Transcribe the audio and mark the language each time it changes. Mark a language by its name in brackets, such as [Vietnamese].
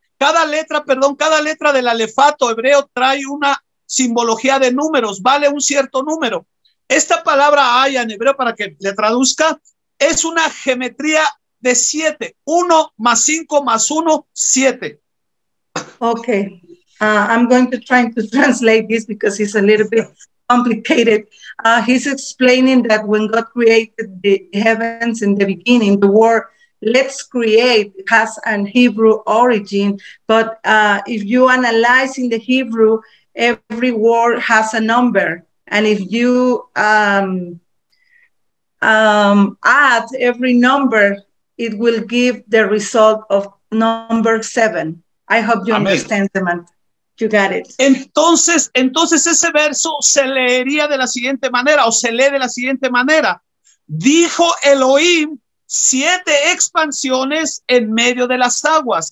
[Spanish] Cada letra del alefato hebreo trae una simbología de números, vale un cierto número. Esta palabra haya en hebreo, para que le traduzca, es una geometría de 7, 1 + 5 + 1, 7. [English] Okay, I'm going to try to translate this because it's a little bit complicated. He's explaining that when God created the heavens in the beginning, the word let's create has an Hebrew origin, but if you analyze in the Hebrew, every word has a number, and if you add every number, it will give the result of number 7. I hope you understand, Samantha. You got it. [Spanish] Entonces ese verso se leería de la siguiente manera, o se lee de la siguiente manera. Dijo Elohim, 7 expansiones en medio de las aguas.